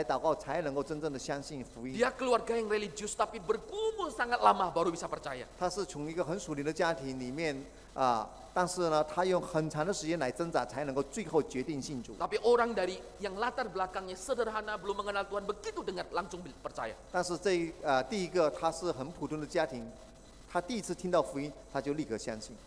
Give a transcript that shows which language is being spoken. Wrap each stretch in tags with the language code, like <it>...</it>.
<zh>他说你怎么能够听到福音就相信呢？而且我是要用很长的时间来挣扎、来祷告，才能够真正的相信福音。</zh> <id>Dia keluarga yang religius tapi bergumul sangat lama baru bisa percaya.</id> <zh>他是从一个很属灵的家庭里面。但是呢，他用很长的时间来挣扎，才能够最后决定信主。</zh> <id>Tapi orang dari yang latar belakangnya sederhana belum mengenal Tuhan begitu dengar langsung percaya.</id> <zh>但是这第一个他是很普通的家庭，他第一次听到福音，他就立刻相信。</zh>